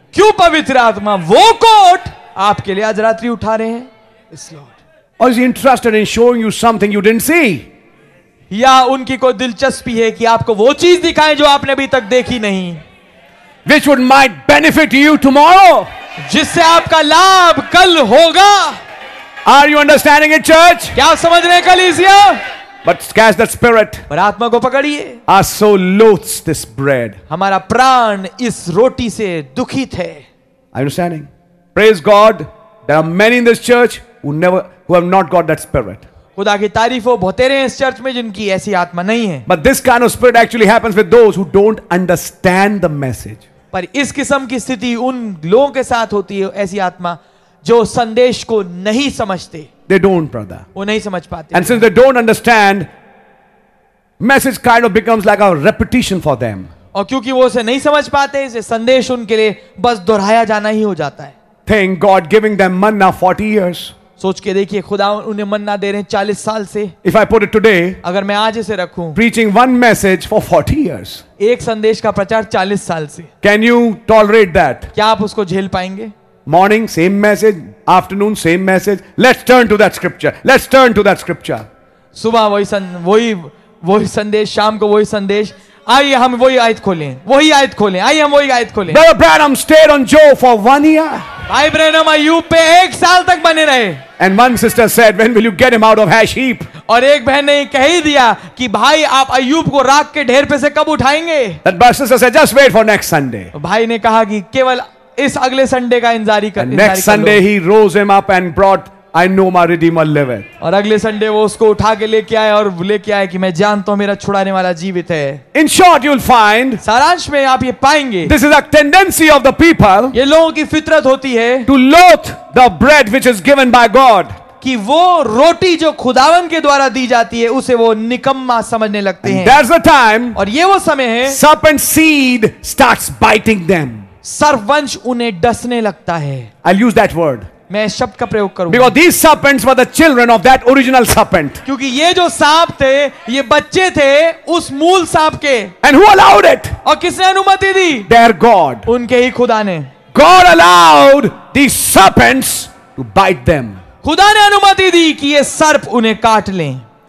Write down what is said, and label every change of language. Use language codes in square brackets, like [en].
[hi] क्यों पवित्र आत्मा वो कोट आपके लिए आज रात्रि उठा रहे हैं? [en] Yes, Lord. Or is he interested in showing you something you didn't see? [hi] या उनकी कोई दिलचस्पी है कि आपको वो चीज दिखाएं जो आपने अभी तक देखी नहीं? [en] Which would might benefit you tomorrow? [hi] जिससे आपका लाभ कल होगा? [en] Are you understanding it, church? [hi] क्या समझ रहे हैं कलीसिया? [en] But catch that spirit. [hi] पर आत्मा को पकड़िए. [en] Our soul loathes this bread. [hi] हमारा प्राण इस रोटी से दुखित है. [en] Are you understanding? Praise God. There are many in this church who have not got that spirit. [hi] खुदा की तारीफ हो, बहुत सारे हैं इस चर्च में जिनकी ऐसी आत्मा नहीं है. [en] But this kind of spirit actually happens with those who don't understand the message. [hi] पर इस किस्म की स्थिति उन लोगों के साथ होती है, ऐसी आत्मा जो संदेश को नहीं समझते. [en] They don't, brother. [hi] वो नहीं समझ पाते. [en] And since they don't understand, message kind of becomes like a repetition for them. [hi] और क्योंकि वो उसे नहीं समझ पाते, इसे संदेश उनके लिए बस दोहराया जाना ही हो जाता है. [en] Thank God giving them manna 40 years. [hi] सोच के देखिए, खुदा उन्हें मन्ना दे रहे हैं 40 साल से. [en] If I put it today, [hi] अगर मैं आज इसे रखूं, [en] preaching one message for 40 years. [hi] एक संदेश का प्रचार 40 साल से. [en] Can you tolerate that? [hi] क्या आप उसको झेल पाएंगे? [en] Morning, same message. Afternoon, same message. Let's turn to that scripture. [hi] सुबह वही वही संदेश, शाम को वही संदेश. आइए हम वही आयत खोलें, वही आयत खोलें. आइए हम वही आयत खोलें. [en] Brother Branham stayed on Joe for 1 year. [hi] भाई ब्रैनम अय्यूब पे एक साल तक बने रहे. [en] And one sister said, "When will you get him out of ash heap?" [hi] और एक बहन ने कह ही दिया कि भाई आप अय्यूब को राख के ढेर पे से कब उठाएंगे? [en] That sister said, "Just wait for next Sunday." [hi] भाई ने कहा कि केवल इस अगले संडे का इंतजार ही कर. [en] Next Sunday he rose him up and brought, I know my Redeemer liveth. [hi] और अगले संडे वो उसको उठा के लेके आए और लेके आए कि मैं जानता हूं मेरा छुड़ाने वाला जीवित है. [en] In short, you'll find, [hi] सारांश में आप ये पाएंगे, [en] this is a tendency of the people, [hi] ये लोगों की फितरत होती है, [en] to loathe the bread which is given by God, [hi] कि वो रोटी जो खुदावन के द्वारा दी जाती है उसे वो निकम्मा समझने लगते हैं. [en] That's the time, [hi] और ये वो समय है, [en] serpent seed starts biting them. [hi] सर्वंश उन्हें डसने लगता है. [en] I'll use that word. [hi] मैं शब्द का प्रयोग करूं. [en] Because these serpents were the children of that original serpent. [hi] क्योंकि ये जो सांप थे, ये बच्चे थे उस मूल सांप के. [en] And who allowed it? [hi] और किसने अनुमति दी? [en] Their God. [hi] उनके ही खुदा ने. [en] God allowed these serpents to bite them. [hi] खुदा ने अनुमति दी कि ये सर्प उन्हें काट लें.